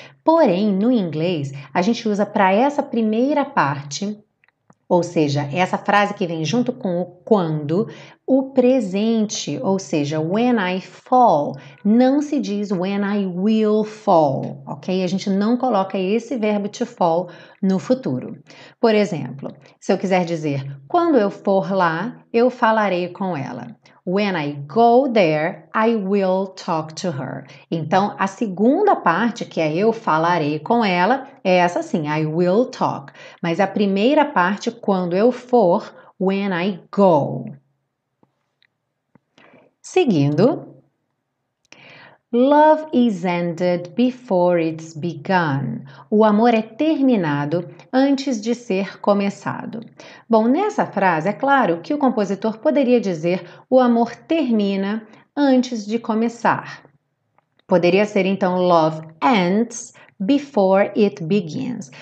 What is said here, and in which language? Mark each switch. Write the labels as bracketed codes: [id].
[pt] Porém, no inglês, a gente usa para essa primeira parte, ou seja, essa frase que vem junto com o quando, o presente, ou seja, [en] when I fall, [pt] não se diz [en] when I will fall, [pt] ok? A gente não coloca esse verbo to fall no futuro. Por exemplo, se eu quiser dizer, quando eu for lá, eu falarei com ela. [en] When I go there, I will talk to her. [pt] Então, a segunda parte, que é eu falarei com ela, é essa sim, [en] I will talk. [pt] Mas a primeira parte, quando eu for, [en] when I go. [pt] Seguindo. [en] Love is ended before it's begun. [pt] O amor é terminado antes de ser começado. Bom, nessa frase é claro que o compositor poderia dizer o amor termina antes de começar. Poderia ser então [en] love ends before it begins.